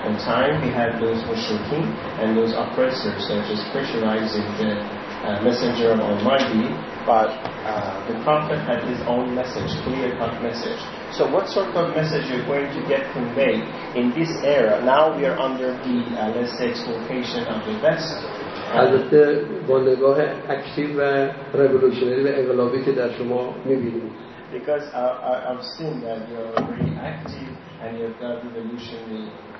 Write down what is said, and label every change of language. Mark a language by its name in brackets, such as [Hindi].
[English] In time, he had those mushrikeen and those oppressors, such as pressurizing the messenger of Almighty, but the Prophet had his own message, clear-cut message. So what sort of message are you going to get conveyed in this era? Now we are under the, let's say, exploitation of the West. [Persian] البته با نگاه اکتیو و رولوشنری و انقلابی که در شما میبینیم. [English] Because I've seen that you're very active and you've got revolutionary